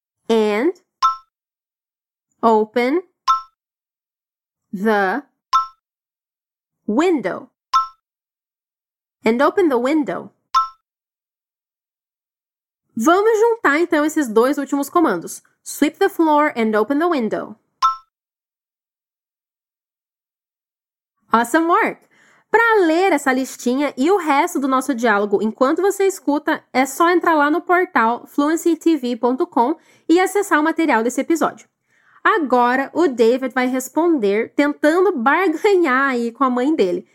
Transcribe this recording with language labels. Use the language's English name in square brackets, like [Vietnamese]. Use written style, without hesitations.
[English] And open the window. And open the window. [Portuguese] Vamos juntar, então, esses dois últimos comandos. [English] Sweep the floor and open the window. Awesome work! [Portuguese] Para ler essa listinha e o resto do nosso diálogo enquanto você escuta, é só entrar lá no portal fluencytv.com e acessar o material desse episódio. Agora, o David vai responder tentando barganhar aí com a mãe dele.